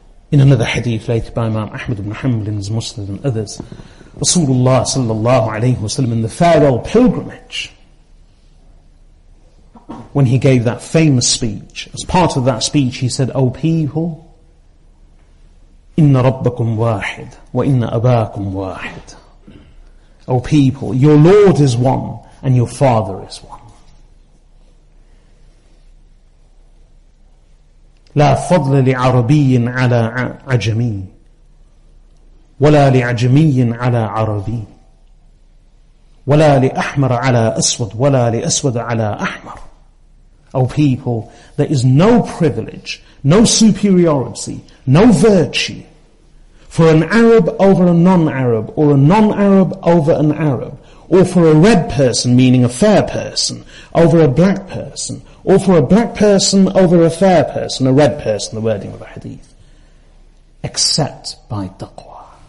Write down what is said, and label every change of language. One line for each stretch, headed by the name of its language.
English: In another hadith related by Imam Ahmad ibn Hanbal in his Musnad and others, Rasulullah sallallahu alayhi wa sallam in the farewell pilgrimage, when he gave that famous speech, as part of that speech he said, O people,
Arabic: inna rabbakum wahid, wa inna abakum wahid.
English: O people, your Lord is one, and your Father is one.
Arabic: لا فضل لعربي على عجمي ولا لعجمي على عربي ولا لأحمر على أسود ولا لأسود على أحمر.
English: O people, there is no privilege, no superiority, no virtue for an Arab over a non-Arab, or a non-Arab over an Arab, or for a red person, meaning a fair person, over a black person, or for a black person over a fair person, a red person, the wording of the hadith, except by taqwa.